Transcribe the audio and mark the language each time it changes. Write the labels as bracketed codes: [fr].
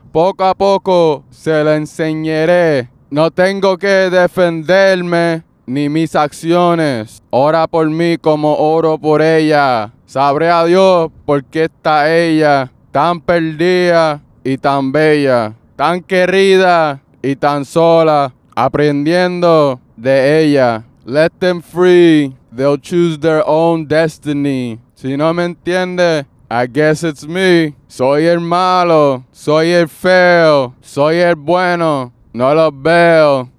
[es] Poco a poco se la enseñaré. No tengo que defenderme ni mis acciones. Ora por mí como oro por ella. Sabré a Dios por qué está ella tan perdida. Y tan bella, tan querida y tan sola, aprendiendo de ella. [en] Let them free, they'll choose their own destiny. [es] Si no me entiende, [en] I guess it's me. [es] Soy el malo, soy el feo, soy el bueno, no lo veo.